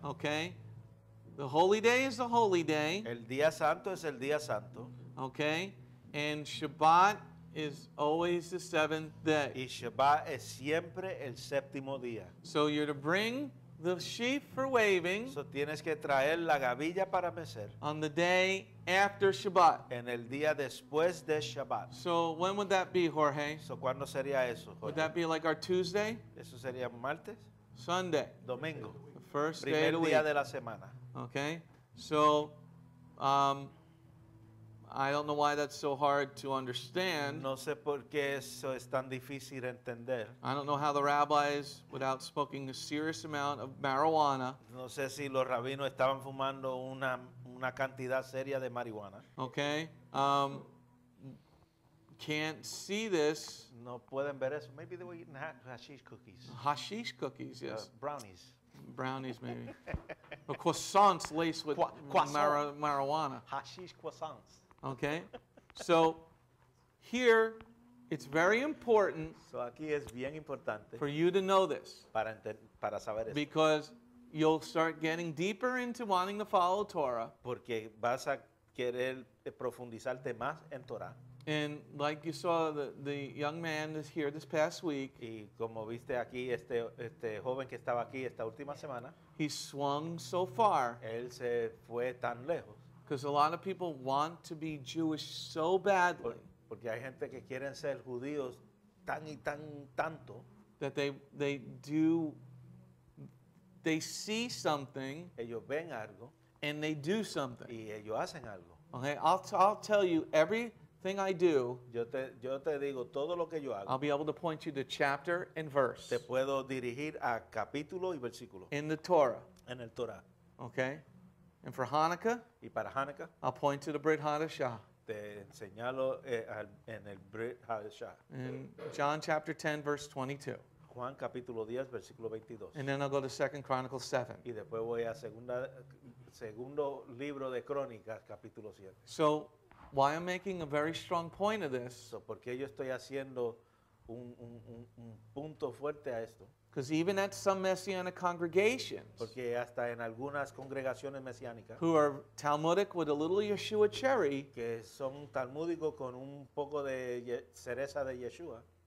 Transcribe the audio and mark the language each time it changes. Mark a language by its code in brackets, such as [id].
[en] Okay. The holy day is the holy day. [es] El día santo es el día santo. [en] Okay. And Shabbat is always the seventh day. [es] Y Shabbat es siempre el séptimo día. [en] So you're to bring the sheaf for waving. [es] So tienes que traer la gavilla para mecer. [en] On the day after Shabbat. [es] En el día después de Shabbat. [en] So when would that be, Jorge? [es] So cuando sería eso, Jorge? [en] Would that be like our Tuesday? [es] Eso sería martes. [en] Sunday. [es] Domingo. [en] The first [es] primer [en] day of the week. [es] Día de la semana. [en] Okay. So I don't know why that's so hard to understand. [es] No sé por qué eso es tan difícil entender. [en] I don't know how the rabbis, without smoking a serious amount of marijuana. [es] No sé si los rabinos estaban fumando una cantidad seria de marihuana. [en] Okay. Can't see this. [es] No pueden ver eso. [en] Maybe they were eating hashish cookies. Hashish cookies, yes. Brownies. Brownies, maybe. Or croissants laced with marijuana. Hashish croissants. Okay, so here it's very important, [es] so aquí es bien importante, [en] for you to know this, [es] para saber esto, [en] because you'll start getting deeper into wanting to follow Torah. [es] Porque vas a querer profundizarte más en Torah. [en] And like you saw, the young man is here this past week. [es] Y como viste aquí este joven que estaba aquí esta última semana. [en] He swung so far. [es] Él se fue tan lejos. [en] Because a lot of people want to be Jewish so badly. [es] Porque hay gente que quieren ser judíos tan y tan tanto. [en] That they see something. [es] Ellos ven algo. [en] And they do something. [es] Y ellos hacen algo. [en] Okay, I'll tell you everything I do. [es] Yo te digo todo lo que yo hago. [en] I'll be able to point you to chapter and verse. [es] Te puedo dirigir a capítulo y versículo. [en] In the Torah. [es] En el Torah. [en] Okay. And for Hanukkah, [es] y para Hanukkah, [en] I'll point to the Brit Hadashah. [es] Te señalo en el Brit Hadashah. [en] In John chapter 10, verse 22. [es] Juan capítulo 10, versículo 22. [en] And then I'll go to 2 Chronicles 7. [es] Y después voy a segundo libro de Crónicas, capítulo 7. [en] So, why I'm making a very strong point of this, [es] so porque yo estoy haciendo un punto fuerte a esto. [en] Because even at some Messianic congregations, [es] porque hasta en algunas congregaciones mesiánicas, [en] who are Talmudic with a little Yeshua cherry, [es] que son talmúdicos con un poco de cereza de Yeshua,